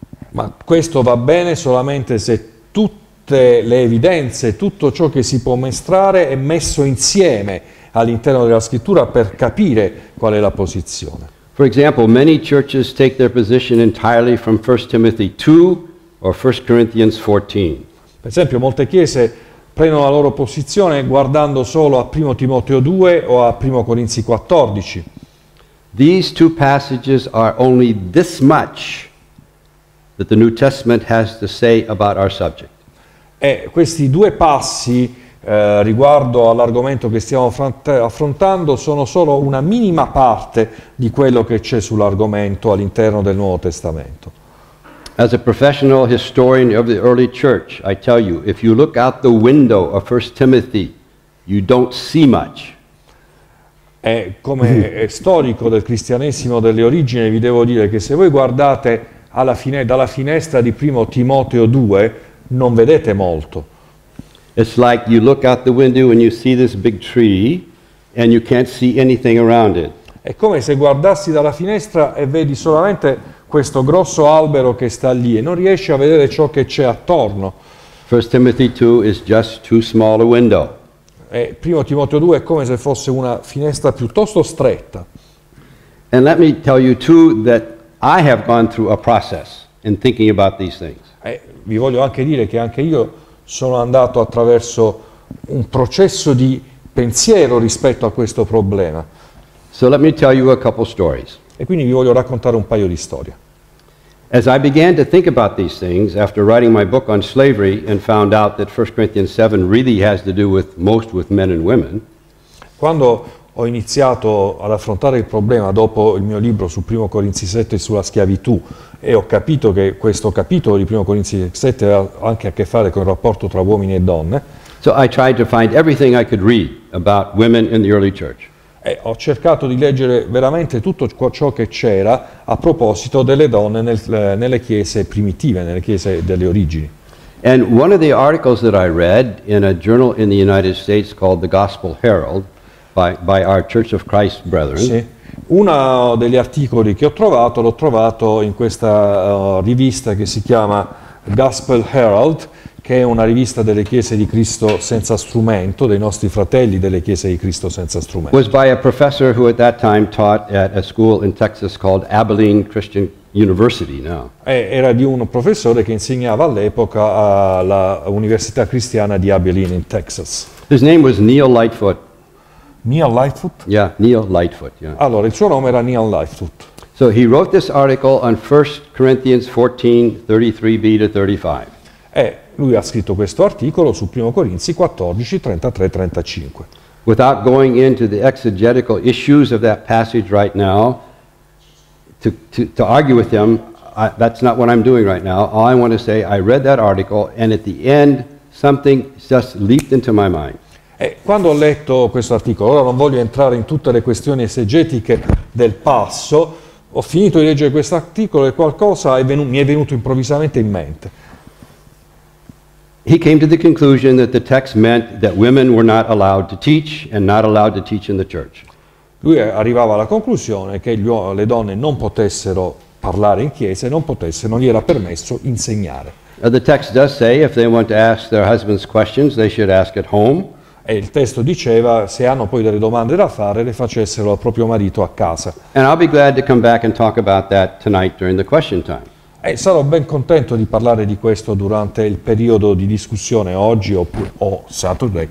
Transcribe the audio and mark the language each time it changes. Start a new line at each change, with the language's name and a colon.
Italian: Ma questo va bene solamente se tutte le evidenze, tutto ciò che si può mostrare è messo insieme all'interno della scrittura per capire qual è la posizione.
English: For example, many churches take their position entirely from 1 Timothy 2 or 1 Corinthians 14.
Italian: Per esempio, molte chiese prendono la loro posizione guardando solo a 1 Timoteo 2 o a 1 Corinzi 14.
English: These two passages are only this much that the New Testament has to say about our subject.
Italian: E questi due passi riguardo all'argomento che stiamo affrontando sono solo una minima parte di quello che c'è sull'argomento all'interno del Nuovo Testamento.
English: As a professional historian of the early church, I tell you, if you look out the window of 1 Timothy, you don't see much.
Italian: E come storico del cristianesimo delle origini, vi devo dire che se voi guardate alla fine, dalla finestra di 1 Timoteo 2, non vedete molto.
English: It's like you look out the window and you see this big tree and you can't see anything around it.
Italian: È come se guardassi dalla finestra e vedi solamente questo grosso albero che sta lì e non riesci a vedere ciò che c'è attorno.
English: 1 Timothy 2 is just too small a window.
Italian: E 1 Timoteo 2 è come se fosse una finestra piuttosto stretta.
English: And let me tell you too that I have gone through a process in thinking about these things.
Italian: E vi voglio anche dire che anche io sono andato attraverso un processo di pensiero rispetto a questo problema.
English: So let me tell you a couple stories.
Italian: E quindi vi voglio raccontare un paio di storie.
English: As I began to think about these things after writing my book on slavery and found out that 1 Corinthians 7 really has to do with most with men and women.
Italian: Quando ho iniziato ad affrontare il problema dopo il mio libro su 1 Corinzi 7 sulla schiavitù e ho capito che questo capitolo di 1 Corinzi 7 ha anche a che fare con il rapporto tra uomini e donne.
English: So I tried to find everything I could read about women in the early church.
Italian: E ho cercato di leggere veramente tutto ciò che c'era a proposito delle donne nelle chiese primitive, nelle chiese delle origini.
English: And one of the articles that I read in a journal in the United States called the Gospel Herald by our Church of Christ brethren.
Italian: Sì. Uno degli articoli che ho trovato l'ho trovato in questa rivista che si chiama Gospel Herald, che è una rivista delle chiese di Cristo senza strumento, dei nostri fratelli delle chiese di Cristo senza strumento.
English: Was by a professor who at that time taught at a school in Texas called Abilene Christian University now.
Italian: Era di un professore che insegnava all'epoca alla Università Cristiana di Abilene in Texas.
English: His name was Neil Lightfoot. Neil Lightfoot? Yeah, Neil Lightfoot, yeah.
Italian: Allora, il suo nome era Neil Lightfoot.
English: So he wrote this article on 1 Corinthians 14:33b to 35.
Italian: Lui ha scritto questo articolo su 1 Corinzi 14, 33, 35.
English: Without going into the exegetical issues of that passage right now, to argue with him, that's not what I'm doing right now. All I want to say, I read that article, and at the end, something just leaped into my mind.
Italian: E quando ho letto questo articolo, ora non voglio entrare in tutte le questioni esegetiche del passo, ho finito di leggere questo articolo e qualcosa mi è venuto improvvisamente in mente.
English: He came to the conclusion that the text meant that women were not allowed to teach and not allowed to teach in the church.
Italian: Lui arrivava alla conclusione che le donne non potessero parlare in chiesa e non gli era permesso insegnare.
English: The text does say if they want to ask their husbands questions, they should ask at home.
Italian: E il testo diceva se hanno poi delle domande da fare le facessero al proprio marito a casa.
English: And I'll be glad to come back and talk about that tonight during the question time.
Italian: E sarò ben contento di parlare di questo durante il periodo di discussione oggi o sabato.